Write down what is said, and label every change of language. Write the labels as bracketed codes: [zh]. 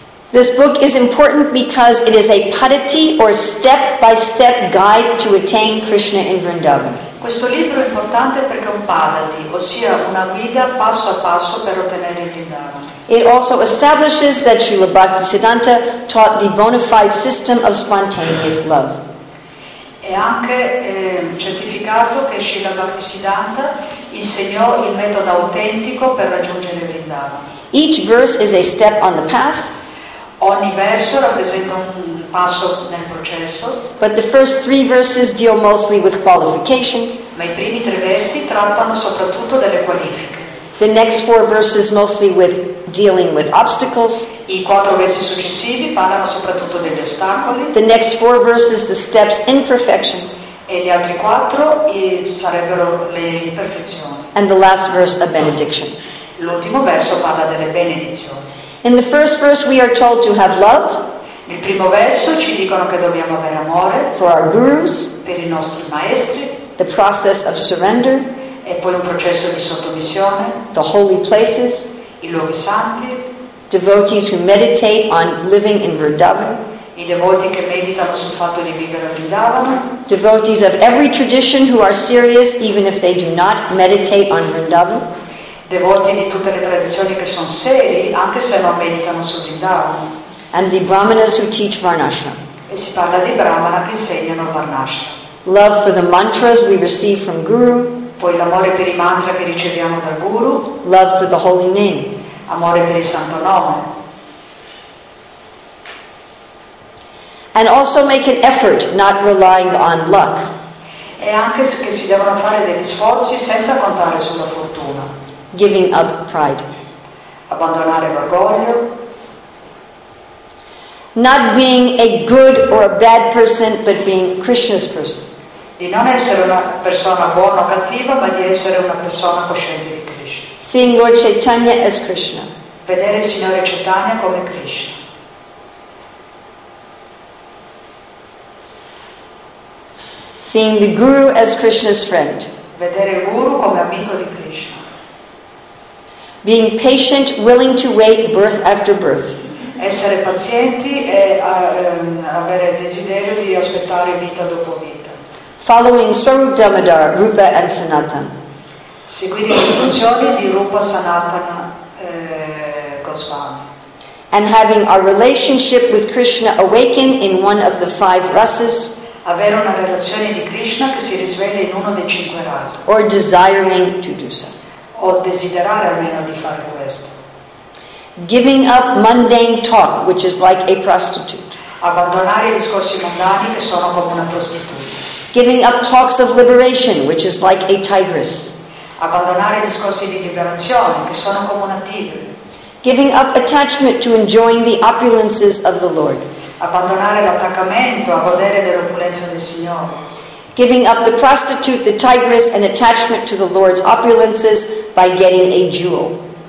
[en] This book is important because it is a padati or step-by-step guide to attain Krishna in Vrindavan. [it] Questo libro è importante perché è un padati, ossia una guida passo a passo per ottenere il Vrindavan. [en] It also establishes that Srila Bhaktisiddhanta taught the bona fide system of spontaneous love. [it] È anche certificato che Srila Bhaktisiddhanta insegnò il metodo autentico per raggiungere Vrindavan. [en] Each verse is a step on the path. [it] Ogni verso rappresenta un passo nel processo. [en] But the first three verses deal mostly with qualification. [it] Ma i primi tre versi trattano soprattutto delle qualifiche. [en] The next four verses mostly with dealing with obstacles. [it] I quattro versi successivi parlano soprattutto degli ostacoli. [en] The next four verses the steps in perfection. [it] E gli altri quattro sarebbero le imperfezioni. [en] And the last verse a benediction. [it] L'ultimo verso parla delle benedizioni. [en] In the first verse we are told to have love. [it] Nel primo verso ci dicono che dobbiamo avere amore. [en] For our gurus. [it] Per i nostri maestri. [en] The process of surrender. [it] E poi un processo di sottomissione. [en] The holy places. [it] I luoghi santi. [en] Devotees who meditate on living in Vrindavan. [it] I devoti che meditano sul fatto di vivere a Vrindavan. [en] Devotees of every tradition who are serious even if they do not meditate on Vrindavan. [it] Devoti di tutte le tradizioni che sono seri anche se non meditano su Vrindavan. [en] And the brahmanas who teach Varnashram. [it] E si parla di brahmana che insegnano Varnashram. [en] Love for the mantras we receive from Guru. [it] Poi l'amore per i mantra che riceviamo dal Guru. [en] Love for the holy name. [it] Amore per il santo nome. [en] And also make an effort, not relying on luck. [it] E anche che si devono fare degli sforzi senza contare sulla fortuna. [en] Giving up pride. [it] Abbandonare l'orgoglio. [en] Not being a good or a bad person, but being Krishna's person. [it] Di non essere una persona buona o cattiva, ma di essere una persona cosciente di Krishna. [en] Seeing Lord Chaitanya as Krishna. [it] Vedere il Signore Chaitanya come Krishna. [en] Seeing the Guru as Krishna's friend. [it] Vedere il Guru come amico di Krishna. [en] Being patient, willing to wait birth after birth. [it] Essere pazienti e avere il desiderio di aspettare vita dopo vita. [en] Following Swarup Damodara, Rupa and Sanatan. [it] Seguire le istruzioni di Rupa Sanatana Goswami. [en] And having our relationship with Krishna awaken in one of the five rasas. [it] Avere una relazione di Krishna che si risveglia in uno dei cinque rasi. [en] Or desiring to do so. [it] O desiderare almeno di fare questo. [en] Giving up mundane talk, which is like a prostitute. [it] Abbandonare i discorsi mondani che sono come una prostituta. [en] Giving up talks of liberation, which is like a tigress. [it] Abbandonare i discorsi di liberazione che sono come una tigre. [en] Giving up attachment to enjoying the opulences of the Lord. [it] Abbandonare l'attaccamento a godere dell'opulenza del Signore. [en] Giving up the prostitute, the tigress, and attachment to the Lord's opulences by getting a jewel.